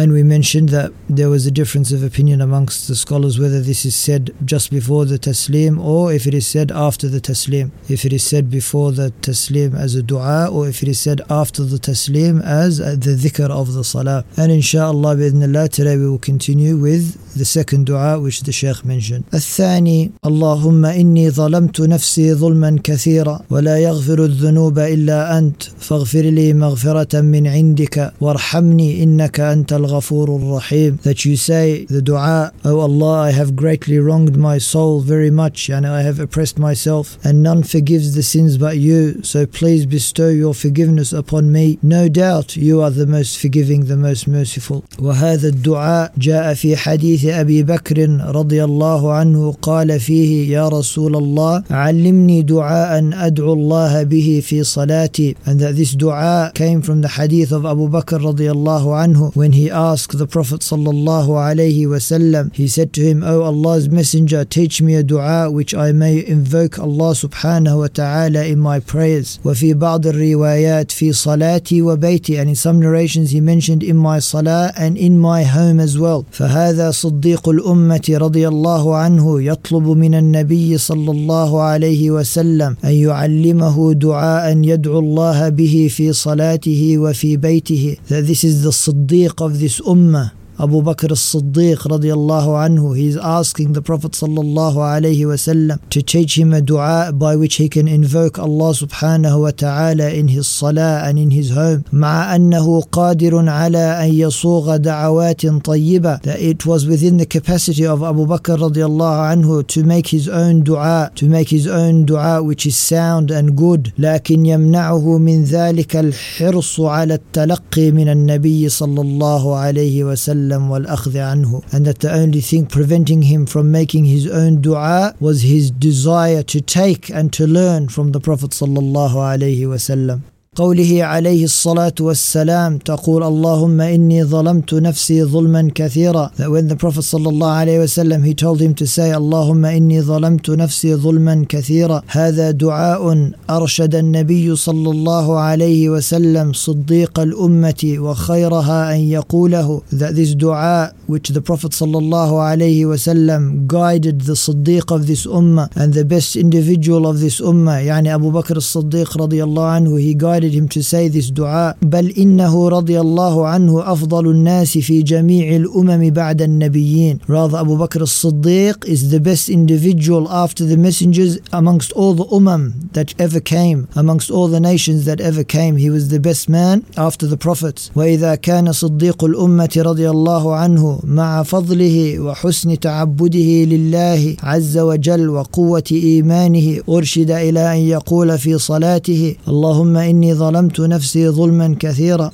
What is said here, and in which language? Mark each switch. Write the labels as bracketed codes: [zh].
[en] And we mentioned that there was a difference of opinion amongst the scholars whether this is said just before the taslim or if it is said after the taslim, if it is said before the taslim as a dua or if it is said after the taslim as the dhikr of the salah. And inshaAllah bi'idhnillah today we will continue with the second dua which the Shaykh mentioned. [ar] الثاني اللهم إني ظلمت نفسي ظلما كثيرا ولا يغفر الذنوب إلا أنت فاغفر لي مغفرة من عندك وارحمني إنك أنت الغفور الرحيم. [en] That you say the dua, O Allah, I have greatly wronged my soul very much, and I have oppressed myself, and none forgives the sins but you, so please bestow your forgiveness upon me. No doubt you are the most forgiving, the most merciful. [ar] وهذا الدعاء جاء في حديث أبي بكر رضي الله عنه قال فيه يا رسول الله علمني دعاء أدعو الله به في صلاتي. [en] And that this dua came from the hadith of Abu Bakr [ar] رضي الله عنه, [en] when he asked the Prophet [ar] صلى الله عليه وسلم, [en] he said to him, O Allah's messenger, teach me a dua which I may invoke Allah [ar] سبحانه وتعالى [en] in my prayers. [ar] وفي بعض الروايات في صلاتي وبيتي, [en] and in some narrations he mentioned in my salah and in my home as well. [ar] فهذا صديق الأمة رضي الله عنه يطلب من النبي صلى الله عليه وسلم أن يعلمه دعاء يدعو الله به في صلاته وفي بيته. [en] That this is the صديق of this ummah, Abu Bakr al-Siddiq radiyallahu anhu, he is asking the Prophet sallallahu alayhi wa sallam to teach him a dua by which he can invoke Allah subhanahu wa ta'ala in his salah and in his home. [ar] مَعَ أَنَّهُ قَادِرٌ عَلَىٰ أَن يَصُوغَ دَعَوَاتٍ طَيِّبَةٍ. [en] That it was within the capacity of Abu Bakr radiyallahu anhu to make his own dua, to make his own dua which is sound and good. [ar] لَكِنْ يَمْنَعُهُ مِنْ ذَلِكَ الْحِرْصُ عَلَىٰ التَّلَقِّي مِنَ النَّبِيِّ sallallahu alayhi wa sallam. [en] And that the only thing preventing him from making his own dua was his desire to take and to learn from the Prophet sallallahu alayhi wa sallam. [ar] قوله عليه الصلاة والسلام تقول اللهم إني ظلمت نفسي ظلما كثيرا. [en] That when the Prophet [ar] صلى الله عليه وسلم, [en] he told him to say [ar] اللهم إني ظلمت نفسي ظلما كثيرا. هذا دعاء أرشد النبي صلى الله عليه وسلم صديق الأمة وخيرها أن يقوله. [en] That this دعاء which the Prophet [ar] صلى الله عليه وسلم [en] guided the صديق of this ummah and the best individual of this ummah, [ar] يعني أبو بكر الصديق رضي الله عنه, [en] he guided him to say this dua. [ar] بل إنه رضي الله عنه أفضل الناس في جميع الأمم بعد النبيين. [en] Rather, Abu Bakr al-Siddiq is the best individual after the messengers amongst all the umam that ever came, amongst all the nations that ever came. He was the best man after the prophets. [ar] وإذا كان صديق الأمة رضي الله عنه مع فضله وحسن تعبده لله عز وجل وقوة إيمانه أرشد إلى أن يقول في صلاته اللهم إني ظلمت نفسي ظلما كثيرا.